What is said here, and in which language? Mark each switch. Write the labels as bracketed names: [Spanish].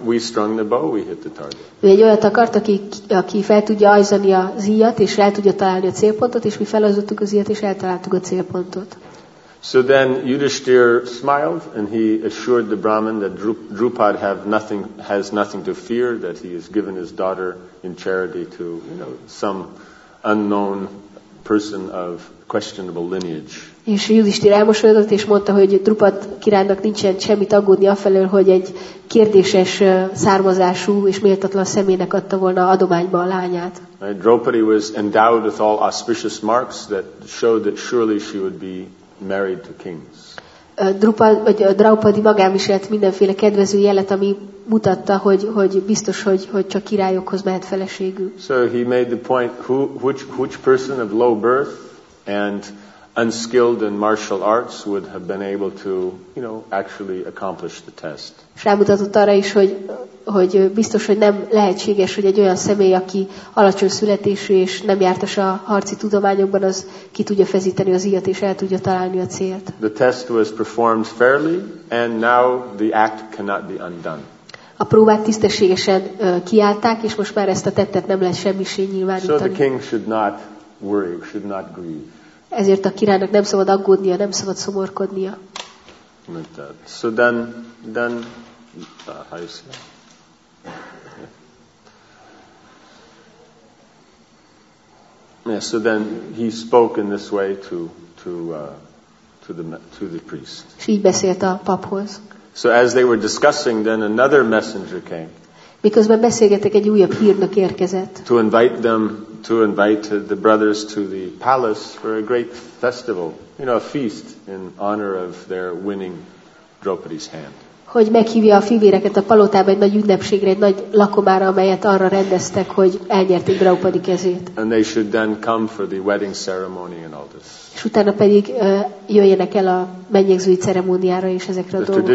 [English] We strung the bow, we hit the target. [Hungarian] Ő egy olyat akart, aki fel tudja ajzani az íjat, és el tudja találni a célpontot, és mi felajzottuk az íjat, és eltaláltuk a célpontot. [English] So then Yudhishthir smiled, and he assured the Brahmin that Drupad has nothing to fear, that he has given his daughter in charity to, you know, some unknown person of questionable lineage. [Hungarian] És Yudhishthir elmosolyodott és mondta, hogy Drupad királynak nincsen semmit aggódni afelől, hogy egy kérdéses származású és méltatlan személynek adta volna adományba a lányát. [English] Draupadi was endowed with all auspicious marks that showed that surely she would be married to kings. [Hungarian] Draupadi magán viselt mindenféle kedvező jelet, ami mutatta, hogy biztos, hogy csak királyokhoz mehet feleségül. [English] So he made the point, which person of low birth and unskilled in martial arts would have been able to, you know, actually accomplish the test. [Hungarian] És rámutatott arra is, hogy biztos, hogy nem lehetséges, hogy egy olyan személy, aki alacsony születésű és nem jártas a harci tudományokban, az ki tudja feszíteni az íjat és el tudja találni a célt. [English] The test was performed fairly, and now the act cannot be undone. [Hungarian] A próbát tisztességesen kiállták, és most már ezt a tettet nem lehet semmissé nyilvánítani. [English] So the king should not worry, should not grieve. [Hungarian] Ezért a királynak nem szabad aggódnia, nem szabad szomorkodnia. [English] So then how you say? Yeah, so then he spoke in this way to the priest. [Hungarian] És így beszélt a paphoz. [English] So as they were discussing, then another messenger came. [Hungarian] Miközben beszélgettek, egy újabb hírnök érkezett. [English] To invite the brothers to the palace for a great festival, you know, a feast in honor of their winning Draupadi's hand. [Hungarian] Hogy meghívja a fivéreket a palotába egy nagy ünnepségre, egy nagy lakomára, amelyet arra rendeztek, hogy elnyerték Draupadi kezét. [English] And they should then come for the wedding ceremony and all this. [Hungarian] És utána pedig jöjjenek el a mennyegzői ceremóniára és ezekre a dolgokra.